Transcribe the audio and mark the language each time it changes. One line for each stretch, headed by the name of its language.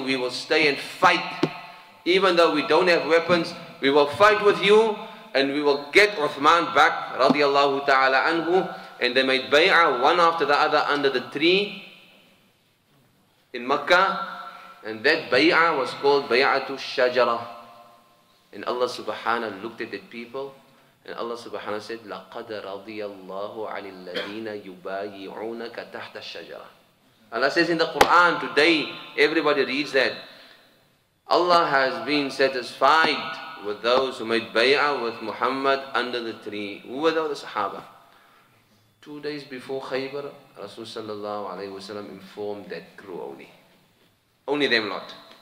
English: We will stay and fight. Even though we don't have weapons, we will fight with you and we will get Uthman back, radiallahu ta'ala anhu." And they made bay'ah one after the other under the tree in Makkah. And that bay'ah was called bay'atu shajara. And Allah subhanahu looked at the people. And Allah subhanahu wa ta'ala said,
Arabic: لَقَدَ رَضِيَ اللَّهُ عَنِ الَّذِينَ يُبَايِعُونَكَ تَحْتَ الشَّجَرَةِ.
English: Allah says in the Quran, today everybody reads that, Allah has been satisfied with those who made bay'ah with Muhammad under the tree. Who were those? The Sahaba. 2 days before Khaybar, Rasul sallallahu alayhi wa sallam informed that crew only. Only them lot.